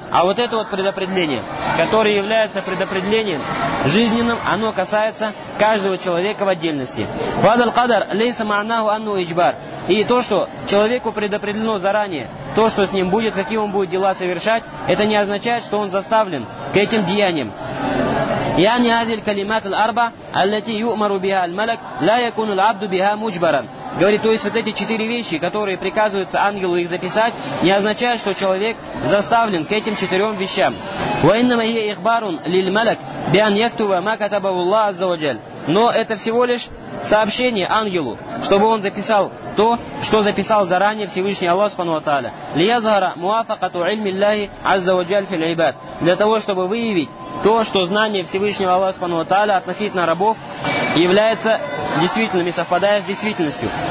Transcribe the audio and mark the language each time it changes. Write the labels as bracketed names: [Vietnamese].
[Russian] А вот это вот предопределение, которое является предопределением жизненным, оно касается каждого человека в отдельности. [Arabic] وَهَذَا الْقَدَرُ لَيْسَ مَعْنَاهُ أَنَّهُ إِجْبَارٌ. [Russian] И то, что человеку предопределено заранее, то, что с ним будет, какие он будет дела совершать, это не означает, что он заставлен к этим деяниям. [Arabic] يعني هذه الكلمات الأربع التي يؤمر بها الملك لا يكون العبد بها مجبرا. [Russian] Говорит, то есть вот эти четыре вещи, которые приказываются ангелу их записать, не означает, что человек заставлен к этим четырем вещам. [Arabic] وإنما هي إخبار للملك بأن يكتب ما كتبه الله عز وجل. [Russian] Но это всего лишь сообщение ангелу, чтобы он записал то, что записал заранее Всевышний Аллах Субхану ва Тааля. [Arabic] Лиязхара муафакату ильми Аллахи азза ва джаль фил ибад. [Russian] Для того, чтобы выявить то, что знание Всевышнего Аллаха Субхану ва Тааля относительно рабов является действительным и совпадает с действительностью.